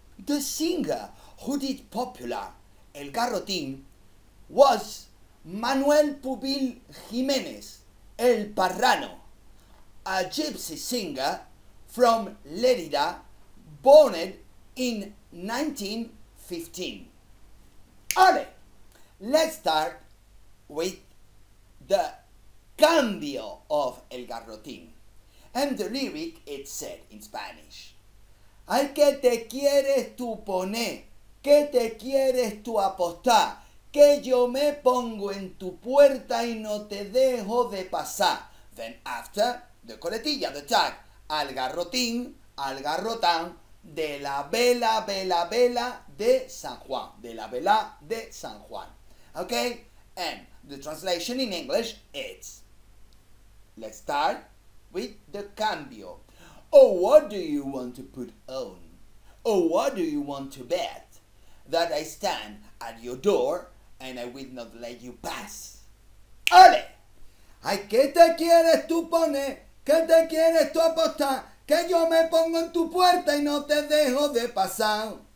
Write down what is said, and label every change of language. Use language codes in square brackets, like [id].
[en] The singer who did popular El Garrotín was Manuel Pubil Jiménez, El Parrano, a gypsy singer from Lérida, born in 1915. Ale! Let's start with the cambio of El Garrotín. And the lyric it said in Spanish. [es] Al que te quieres tú poner, que te quieres tú apostar, que yo me pongo en tu puerta y no te dejo de pasar. [en] Then after, the coletilla, the tag, [es] al garrotín, al garrotán, de la vela, vela, vela de San Juan. De la vela de San Juan. Okay? [en] And the translation in English is, let's start with the cambio. Oh, what do you want to put on? Oh, what do you want to bet? That I stand at your door and I will not let you pass. Ole! [es] Ay, ¿qué te quieres tú poner? ¿Qué te quieres tú apostar? Que yo me pongo en tu puerta y no te dejo de pasar.